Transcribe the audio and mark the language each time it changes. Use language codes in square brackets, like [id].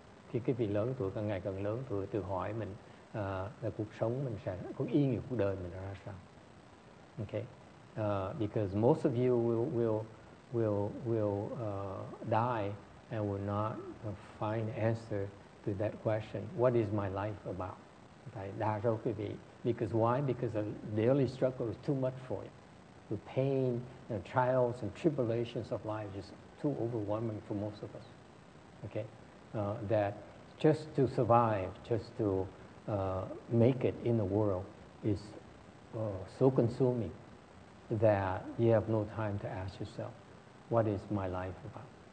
[vi] Khi cái vị lớn tuổi càng ngày càng lớn tuổi tự hỏi mình là cuộc sống mình sẽ có ý nghĩa cuộc đời mình ra sao. [en] Okay, because most of you will die and will not find answer to that question. What is my life about? [vi] Tại đa số quý vị, [en] because why? Because the daily struggle is too much for you. The pain and the trials and tribulations of life is too overwhelming for most of us. Okay, that just to survive, just to make it in the world is so consuming that you have no time to ask yourself, what is my life about?